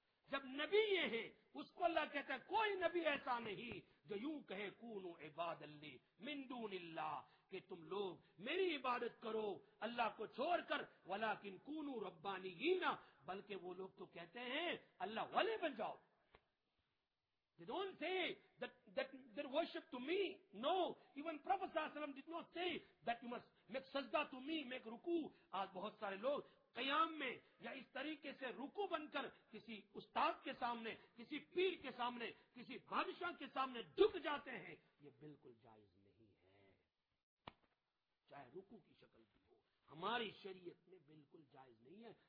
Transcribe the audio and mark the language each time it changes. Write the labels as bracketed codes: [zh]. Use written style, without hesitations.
[ur] جب نبی یہ ہے اس کو اللہ کہتا ہے کوئی نبی ایسا نہیں جو یوں کہے [ar] کونو عباد اللہ من دون اللہ [ur] کہ تم لوگ میری عبادت کرو اللہ کو چھوڑ کر، [ar] ولیکن کونو ربانیین [ur] بلکہ وہ لوگ تو کہتے ہیں اللہ والے بن جاؤ. [en] They don't say that their worship to me. No, even Prophet صلی اللہ علیہ وسلم did not say that you must make سجدہ to me, make رکوع. [ur] آج بہت سارے لوگ قیام میں یا اس طریقے سے رکو بن کر کسی استاد کے سامنے، کسی پیر کے سامنے، کسی بادشاہ کے سامنے جھک جاتے ہیں، یہ بالکل جائز نہیں ہے، چاہے رکو کی شکل بھی ہو ہماری شریعت میں بالکل جائز نہیں ہے.